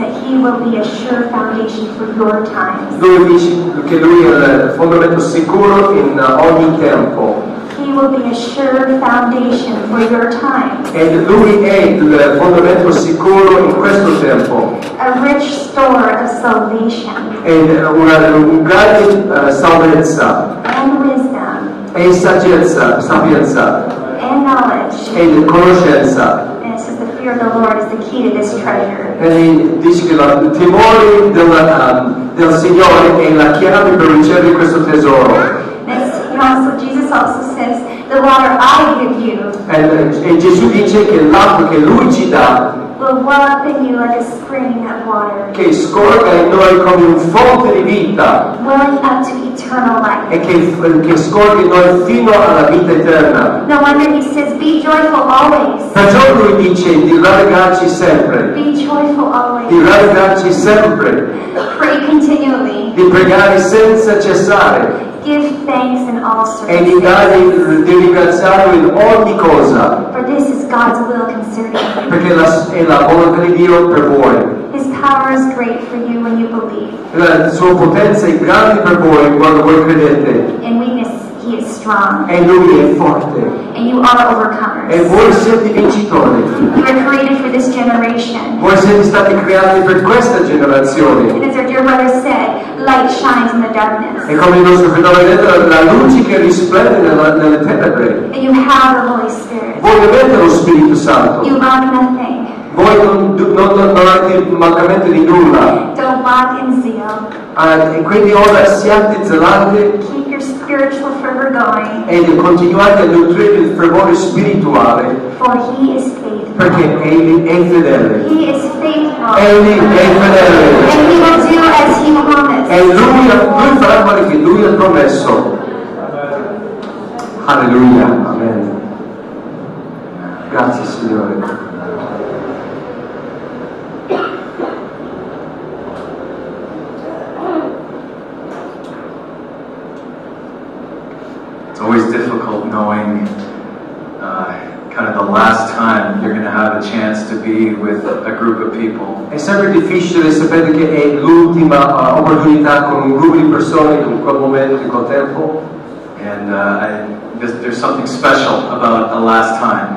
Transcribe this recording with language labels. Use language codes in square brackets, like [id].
[en] Will be a sure foundation for your times. [it] Lui dice che lui è il fondamento sicuro in ogni tempo. [en] He will be a sure foundation for your times. [it] And lui è il fondamento sicuro in questo tempo. [en] A rich store of salvation. [it] And una grande salvezza. [en] And wisdom. [it] E saggezza, sapienza. [en] And knowledge. [it] E conoscenza. [en] And fear of the Lord is the key to this treasure. [it] E dice che il timore del Signore è la chiave per ricevere questo tesoro. [en] Jesus also says, the water I give you. [it] E Gesù dice che l'acqua che lui ci dà [en] will well up in you like a spring of water. [it] Che scorga in noi come un fonte di vita. [en] Welling up to eternal life. [it] E che scorga in noi fino alla vita eterna. [en] No wonder he says, be joyful always. [it] Perciò lui dice di rallegrarci sempre. [en] Be joyful always. [it] Di rallegrarci sempre. [en] Pray continually. [it] Di pregare senza cessare. [en] Give thanks in all circumstances. [it] E di ringraziare in ogni cosa. [en] For this is God's will concerning you. [it] Perché è la volontà di Dio per voi. [en] His power is great for you when you believe. [it] La sua potenza è grande per voi quando voi credete. [en] In weakness, he is strong. [it] E lui è forte. [en] And you are overcomers. [it] E voi siete vincitori. [en] You are created for this generation. [it] Voi siete stati creati per questa generazione. [en] And as our dear brother said, light shines in the darkness. [it] E come il nostro fratello ha detto, la luce che risplende nelle tenebre. [en] And you have the Holy Spirit. [it] Voi avete lo Spirito Santo. [en] You lack nothing. [it] Voi non avete mancamento di nulla. [en] Don't lack in zeal. [it] E quindi ora siate zelanti. [en] Keep your spiritual fervor going. [it] E continuate a nutrire il fervore spirituale. [en] For he is faithful. [it] Perché egli è fedele. [en] He is faithful. [it] Egli è fedele. [en] And he will do as he promised. [it] E lui farà quello che lui ha promesso. Alleluia. Amen. Grazie Signore. [en] It's always difficult knowing kind of the last time you're going to have a chance to be with a group of people. [it] È sempre difficile sapere che è l'ultima opportunità con un gruppo di persone in quel momento, in quel tempo. [en] And there's something special about the last time.